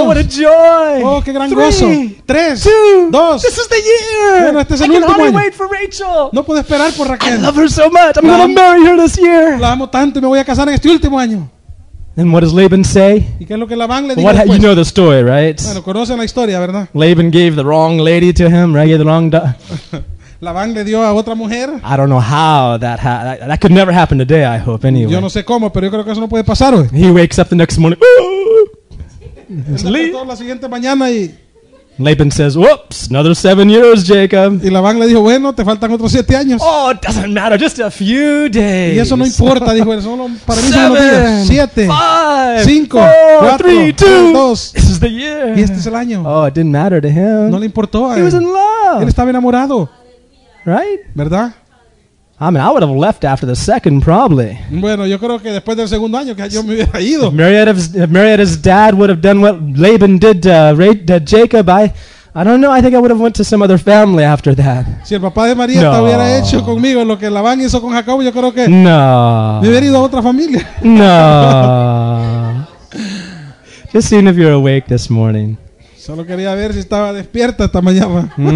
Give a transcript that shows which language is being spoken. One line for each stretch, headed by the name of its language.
English: Oh, what a joy.
Spanish: Oh, qué gran gozo. 3. 2. 2.
English: This is the year.
Spanish: Bueno, este es el último año.
English: I can hardly wait for Rachel.
Spanish: No puedo esperar por Raquel.
English: I love her so much. I'm going to marry her this year.
Spanish: La amo tanto y me voy a casar en este último año.
English: And what does Laban say?
Spanish: ¿Y qué es lo que Labán le dijo después?
English: You know the story, right?
Spanish: Bueno, conocen la historia, ¿verdad?
English: Laban gave the wrong lady to him, right? He had the wrong
Spanish: Labán le dio a otra mujer.
English: I don't know how that could never happen today, I hope, anyway.
Spanish: Yo no sé cómo, pero yo creo que eso no puede pasar hoy.
English: He wakes up the next morning.
Spanish: La siguiente mañana y
English: Laban says, whoops, another 7 years, Jacob.
Spanish: Y Labán le dijo, bueno, te faltan otros 7 años.
English: Oh, it doesn't matter, just a few days.
Spanish: Y eso no importa, dijo él, solo para mí son 7, 5, 5, 4, 3, 2, 2.
English: This is the year.
Spanish: Y este es el año.
English: Oh, it didn't matter to him.
Spanish: No le importó a él.
English: He was in love.
Spanish: Él estaba enamorado.
English: Right?
Spanish: ¿Verdad?
English: I mean, I would have left after the second, probably.
Spanish: Bueno, yo creo que después del segundo año que yo me hubiera ido.
English: If Marietta's dad would have done what Laban did to Jacob, I don't know. I think I would have went to some other family after that.
Spanish: Si el papá de Marietta no. hubiera hecho conmigo lo que Labán hizo con Jacob, yo creo que no. Me hubiera ido a otra familia.
English: No. Just seeing if you're awake this morning.
Spanish: Solo quería ver si estaba despierta esta mañana.